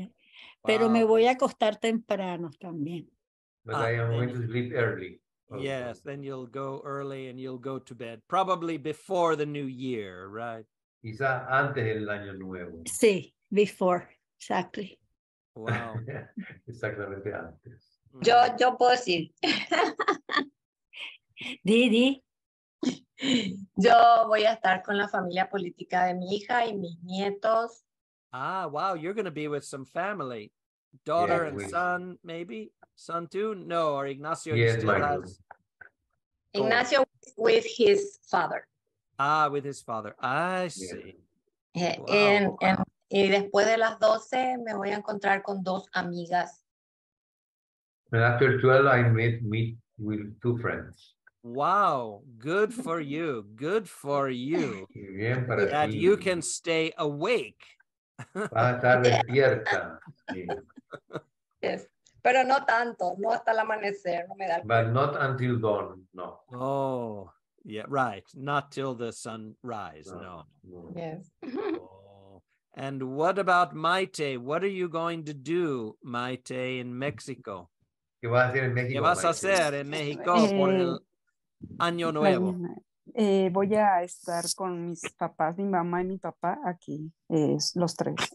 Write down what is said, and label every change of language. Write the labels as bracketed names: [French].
[Spanish] Yeah, pero wow. Me voy a acostar temprano también. [English] But I am going to sleep early. Okay. Yes, then you'll go early and you'll go to bed, probably before the new year, right? [Spanish] Quizá antes del año nuevo. [English] Sí, before, exactly. Wow. [Spanish] Exactamente antes. Yo puedo decir. Didi. Yo voy a estar con la familia política de mi hija y mis nietos. [English] Ah, wow, you're going to be with some family. Daughter and son, maybe? Son too? No, or Ignacio still has. Ignacio with his father. Ah, with his father. I see. [Spanish] Y después de las 12 me voy a encontrar con dos amigas. [English] And after 12 I meet with two friends. Wow, good for you. Good for you. [Spanish] Bien para [English] that [Spanish] ti. [English] You can stay awake. [Spanish] Va a estar despierta. Yes. Pero no tanto, no hasta el amanecer, no me da. [English] But not until dawn, no. Oh, yeah, right. Not till the sunrise, no. Yes. Oh. And what about Maite? What are you going to do, Maite, in Mexico? [Spanish] ¿Qué vas a hacer en México? ¿Qué vas a hacer en México por el año nuevo? Voy a estar con mis papás, mi mamá y mi papá aquí, los tres.